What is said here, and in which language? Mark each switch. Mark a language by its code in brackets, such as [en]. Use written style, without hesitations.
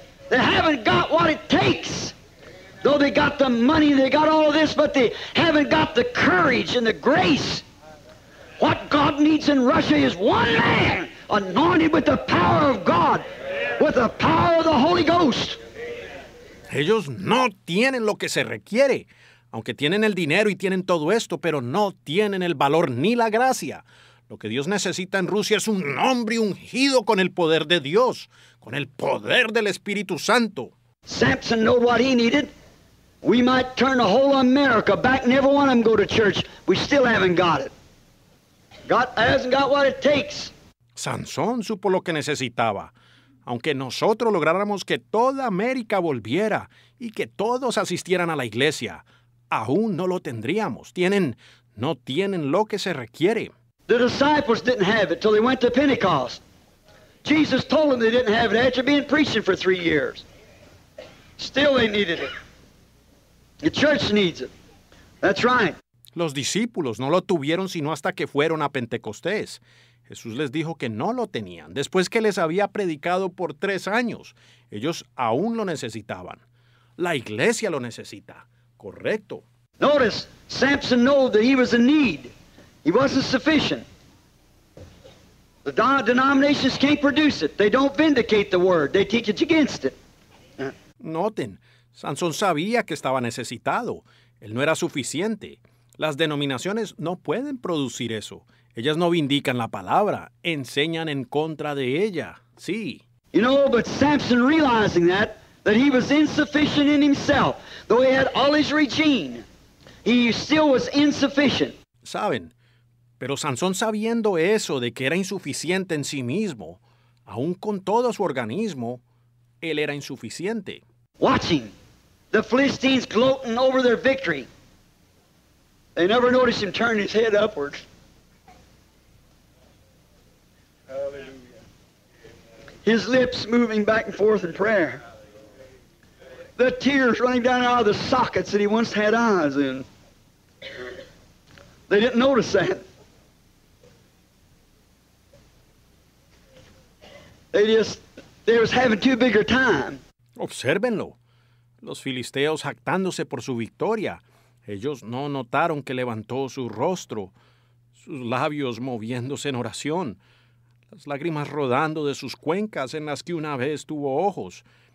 [en] They haven't got what it takes. Though they got the money, they got all of this, but they haven't got the courage and the grace. What God needs in Russia is one man anointed with the power of God, with the power of the Holy Ghost. [es] Ellos no tienen lo que se requiere. Aunque tienen el dinero y tienen todo esto, pero no tienen el valor ni la gracia. Lo que Dios necesita en Rusia es un hombre ungido con el poder de Dios, con el poder del Espíritu Santo. [en] Samson knew what he needed. We might turn the whole America back and every one of them go to church. We still haven't got it. God hasn't got what it takes. [es] Sansón supo lo que necesitaba. Aunque nosotros lográramos que toda América volviera y que todos asistieran a la iglesia, aún no lo tendríamos. No tienen lo que se requiere. [en] The disciples didn't have it till they went to Pentecost. Jesus told them they didn't have it after being preaching for 3 years. Still they needed it. The church needs it. That's right. [es] Los discípulos no lo tuvieron sino hasta que fueron a Pentecostés. Jesús les dijo que no lo tenían. Después que les había predicado por 3 años, ellos aún lo necesitaban. La iglesia lo necesita. Correcto. [en] Notice, Samson knew that he was in need. He wasn't sufficient. The denominations can't produce it. They don't vindicate the word. They teach it against it. [es] Noten, Sansón sabía que estaba necesitado. Él no era suficiente. Las denominaciones no pueden producir eso. Ellas no vindican la palabra. Enseñan en contra de ella. Sí. [en] You know, but Samson realizing that, that he was insufficient in himself, though he had all his regime, he still was insufficient. [es] Saben, pero Sansón sabiendo eso de que era insuficiente en sí mismo, aún con todo su organismo, él era insuficiente. [en] Watching the Philistines gloating over their victory, they never noticed him turn his head upwards. Hallelujah. His lips moving back and forth in prayer. The tears running down out of the sockets that he once had eyes in. They didn't notice that. They was having too big a time. [es] Obsérvenlo. Los filisteos jactándose por su victoria. Ellos no notaron que levantó su rostro, sus labios moviéndose en oración, las lágrimas rodando de sus cuencas en las que una vez tuvo ojos.